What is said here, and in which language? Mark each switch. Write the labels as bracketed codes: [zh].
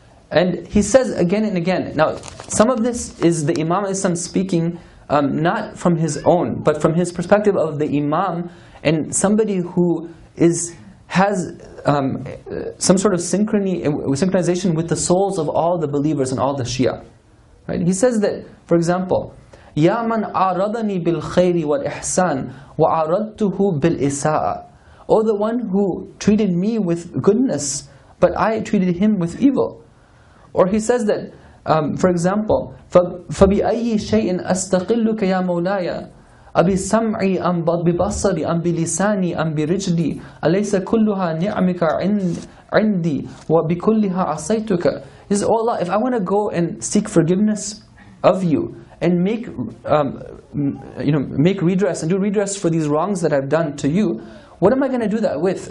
[en] And he says again and again, now some of this is the Imam al-Islam speaking not from his own, but from his perspective of the Imam and somebody who has some sort of synchronization with the souls of all the believers and all the Shia. Right? He says that, for example, [ar] يَا مَنْ أَعْرَضَنِي بِالْخَيْرِ وَالْإِحْسَانِ وَأَعْرَضْتُهُ بِالْإِسَاءَ. [en] Oh, the one who treated me with goodness, but I treated him with evil. Or he says that, for example, [ar] فَبِأَيِّ شَيْءٍ أَسْتَقِلُّكَ يَا مَوْلَايَ أَبِسَمْعِي أَمْ بِبَصَرِي أَمْ بِلِسَانِي أَمْ بِرِجْلِي أَلَيْسَ كُلُّهَا نِعْمِكَ عِنْدِي وَبِكُلِّهَا عَصَيْتُكَ. [en] He says, oh Allah, if I want to go and seek forgiveness of you and make make redress and do redress for these wrongs that I've done to you, what am I going to do that with?